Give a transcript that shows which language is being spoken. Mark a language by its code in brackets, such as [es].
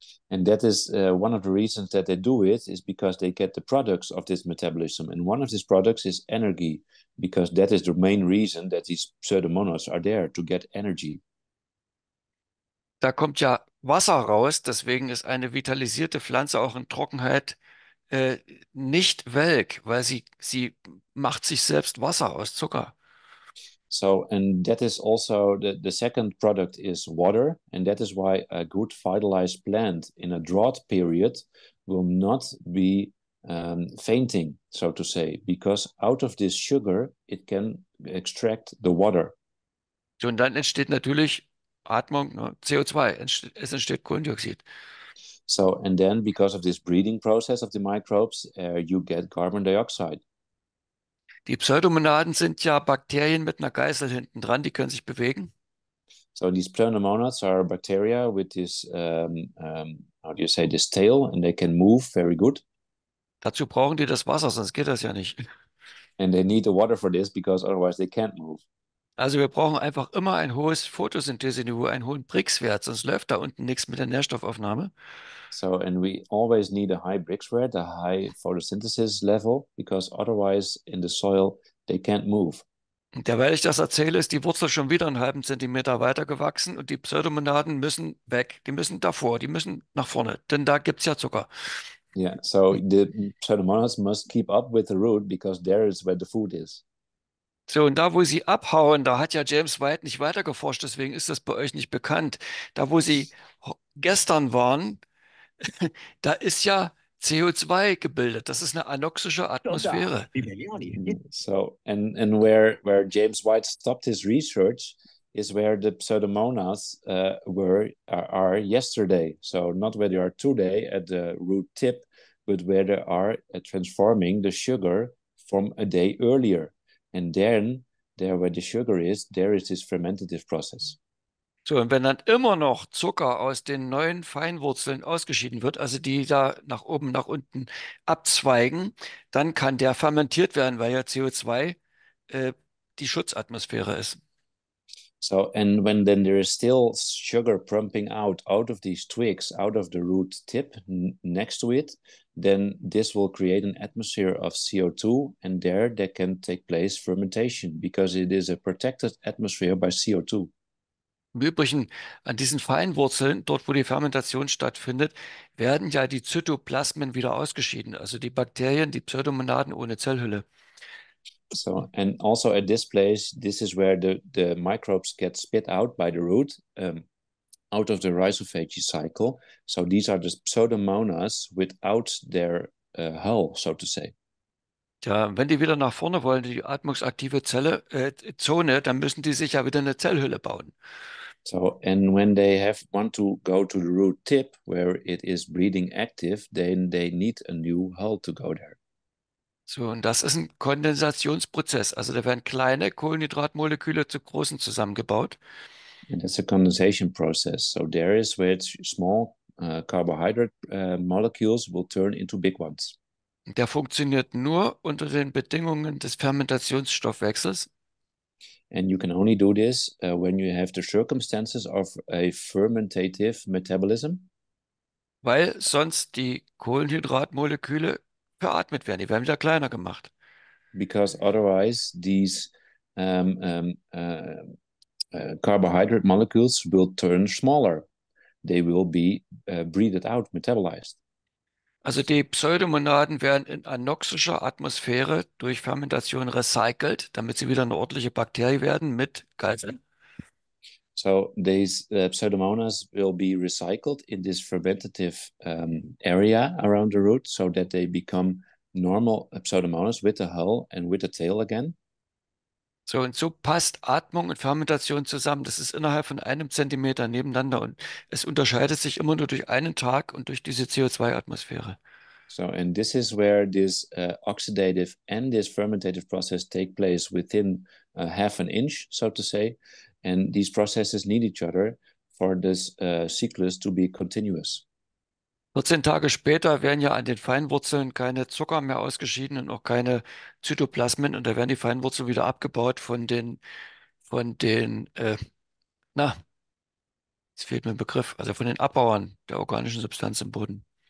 [en] And that is one of the reasons that they do it, is because they get the products of this metabolism. And one of these products is energy, because that is the main reason that these Pseudomonas are there, to get energy. [de] Da kommt ja Wasser raus, deswegen ist eine vitalisierte Pflanze auch in Trockenheit nicht welk, weil sie macht sich selbst Wasser aus Zucker. [en] So, and that is also the second product is water, and that is why a good vitalized plant in a drought period will not be fainting, so to say, because out of this sugar it can extract the water. [de] So, und dann entsteht natürlich Atmung, CO2, es entsteht Kohlendioxid. [en] So, and then because of this breathing process of the microbes, you get carbon dioxide. [de] Die Pseudomonaden sind ja Bakterien mit einer Geißel hinten dran, die können sich bewegen. [en] So these pleuromonads are bacteria with this, how do you say, this tail, and they can move very good. [de] Dazu brauchen die das Wasser, sonst geht das ja nicht. [en] And they need the water for this, because otherwise they can't move. [de] Also wir brauchen einfach immer ein hohes Photosynthese-Niveau, einen hohen Brix-Wert, sonst läuft da unten nichts mit der Nährstoffaufnahme. [en] So, and we always need a high Brix-Wert, a high photosynthesis level, because otherwise in the soil they can't move. [de] Und derweil ich das erzähle, ist die Wurzel schon wieder einen halben Zentimeter weiter gewachsen und die Pseudomonaden müssen weg, die müssen davor, die müssen nach vorne, denn da gibt's ja Zucker. [en] Yeah, so the pseudomonas must keep up with the root because there is where the food is. [de] So, und da, wo sie abhauen, da hat ja James White nicht weiter geforscht, deswegen ist das bei euch nicht bekannt. Da, wo sie gestern waren, da ist ja CO2 gebildet. Das ist eine anoxische Atmosphäre. [en] So, and where James White stopped his research is where the pseudomonas were yesterday. So not where they are today at the root tip, but where they are transforming the sugar from a day earlier. And then there where the sugar is, there is this fermentative process. [de] So, und wenn dann immer noch Zucker aus den neuen Feinwurzeln ausgeschieden wird, also die da nach oben, nach unten abzweigen, dann kann der fermentiert werden, weil ja CO2 die Schutzatmosphäre ist. [en] So, and when then there is still sugar pumping out of these twigs, out of the root tip next to it, then this will create an atmosphere of CO2, and there can take place fermentation, because it is a protected atmosphere by CO2. [de] Im Übrigen, an diesen Feinwurzeln, dort wo die Fermentation stattfindet, werden ja die Zytoplasmen wieder ausgeschieden, also die Bakterien, die Pseudomonaden ohne Zellhülle. [en] So, and also at this place, this is where the microbes get spit out by the root, out of the rhizophagy cycle. So these are the pseudomonas without their hull, so to say. [de] Ja, wenn die wieder nach vorne wollen, die atmungsaktive Zone, dann müssen die sich ja wieder eine Zellhülle bauen. [en] So, and when they want to go to the root tip, where it is breathing active, then they need a new hull to go there. [de] So, und das ist ein Kondensationsprozess. Also da werden kleine Kohlenhydratmoleküle zu großen zusammengebaut. [en] And it's a condensation process. So there is where it's small carbohydrate molecules will turn into big ones. [de] Der funktioniert nur unter den Bedingungen des Fermentationsstoffwechsels. [en] And you can only do this when you have the circumstances of a fermentative metabolism. [de] Weil sonst die Kohlenhydratmoleküle beatmet werden, die werden wieder kleiner gemacht. [en] Because otherwise these carbohydrate molecules will turn smaller. They will be breathed out, metabolized. [de] Also die Pseudomonaden werden in anoxischer Atmosphäre durch Fermentation recycelt, damit sie wieder eine ordentliche Bakterie werden mit Geißeln. [en] So these pseudomonas will be recycled in this fermentative area around the root, so that they become normal pseudomonas with a hull and with a tail again. [de] So, und so passt Atmung und Fermentation zusammen. Das ist innerhalb von einem Zentimeter nebeneinander und es unterscheidet sich immer nur durch einen Tag und durch diese CO2-Atmosphäre. [en] So, and this is where this oxidative and this fermentative process take place within half an inch, so to say. And these processes need each other for this cyclus to be continuous. [de] 14 Tage später werden ja an den Feinwurzeln keine Zucker mehr ausgeschieden und auch keine Zytoplasmen und da werden die Feinwurzeln wieder abgebaut von den Abbauern der organischen Substanz im Boden.